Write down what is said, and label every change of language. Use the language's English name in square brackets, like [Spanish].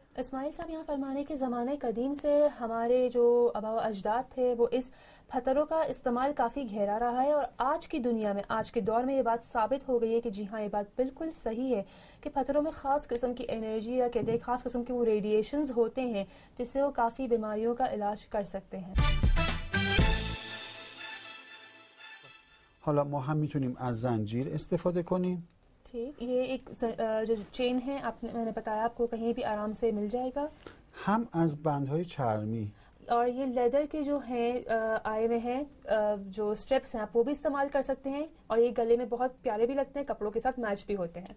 [Urdu] اسماعیل صاحب یہاں فرمانے کہ زمانے قدیم سے ہمارے جو آبا و اجداد تھے وہ اس پتھروں کا استعمال کافی گہرا رہا ہے، اور آج کی دنیا میں، آج کے دور میں یہ بات ثابت ہو گئی ہے کہ جی ہاں، یہ بات بالکل صحیح ہے کہ پتھروں میں خاص قسم کی انرجی یا کہتے ہیں خاص قسم کے وہ ریڈیشنز ہوتے ہیں جس سے وہ کافی بیماریوں کا علاج کر سکتے ہیں. [Persian] حالا ما هم میتونیم از زنجیر استفاده کنیم. [Urdu] ٹھیک، یہ ایک جو چین ہے آپ نے، میں نے بتایا آپ کو، کہیں بھی آرام سے مل جائے گا. [Persian] ہم از بندهای چرمی [Urdu] اور یہ لیدر کے جو ہیں آئے ہوئے ہیں جو اسٹرپس ہیں، آپ وہ بھی استعمال کر سکتے ہیں، اور یہ گلے میں بہت پیارے بھی لگتے ہیں، کپڑوں کے ساتھ میچ بھی ہوتے ہیں.